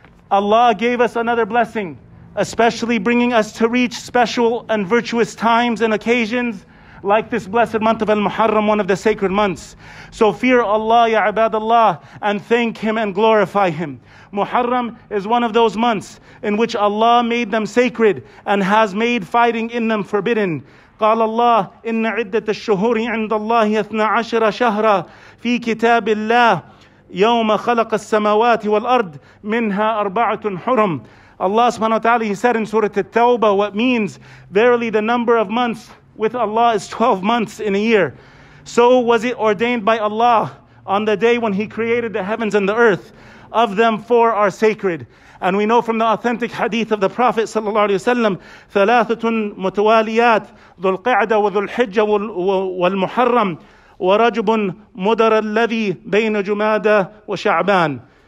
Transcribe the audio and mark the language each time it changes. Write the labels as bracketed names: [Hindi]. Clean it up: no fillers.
[English] Allah gave us another blessing, especially bringing us to reach special and virtuous times and occasions like this blessed month of Al-Muharram, one of the sacred months. So fear Allah, ya ibadallah, and thank Him and glorify Him. Muharram is one of those months in which Allah made them sacred and has made fighting in them forbidden. [Arabic] قال الله إن عدة الشهور عند الله 12 شهرا في كتاب الله يوم خلق السماوات والأرض منها أربعة حرم. [English] Allah subhanahu wa ta'ala, He said in Surah At-Tawbah what means, verily the number of months with Allah is 12 months in a year. So was it ordained by Allah on the day when He created the heavens and the earth. Of them, four are sacred. And we know from the authentic hadith of the Prophet sallallahu alaihi wasallam, [Arabic] ثَلَاثَةٌ مُتَوَالِيَاتٌ ذُو الْقِعْدَةِ وَذُو الْحِجَّةِ وَالْمُحَرَّمِ وَرَجُبٌ مُدَرَ الَّذِي بَيْنَ جُمَادَةٍ وَشَعْبَانٍ.